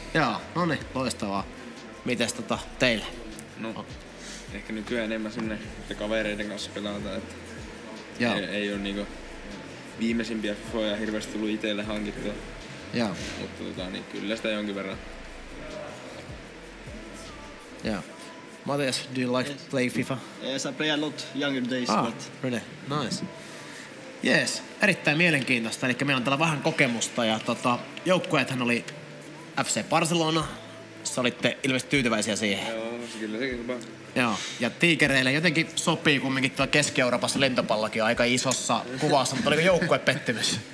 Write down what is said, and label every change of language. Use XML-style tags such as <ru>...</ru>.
<fi>Joo, no niin, loistavaa. Mites teille? No. Ehkä nykyään enemmän sinne, että kavereiden kanssa pelataan, että ei ole niinku viimeisimpiä FIFAa hirveästi tullut itselle hankittua. Joo. Mutta niin kyllä sitä jonkin verran. Joo.</fi> <en>Matias, do you like to play FIFA? Yes, I play a lot younger days. Ah, but really? Nice.</en> <fi>Yes, erittäin mielenkiintoista. Eli meillä on täällä vähän kokemusta ja joukkueethan oli FC Barcelona. Sä olitte ilmeisesti tyytyväisiä siihen. Joo, kyllä sekin kuva. Joo, ja tiikereille jotenkin sopii kumminkin tuo Keski-Euroopassa lentopallokin aika isossa kuvassa, mutta oliko joukkuepettymys?</fi>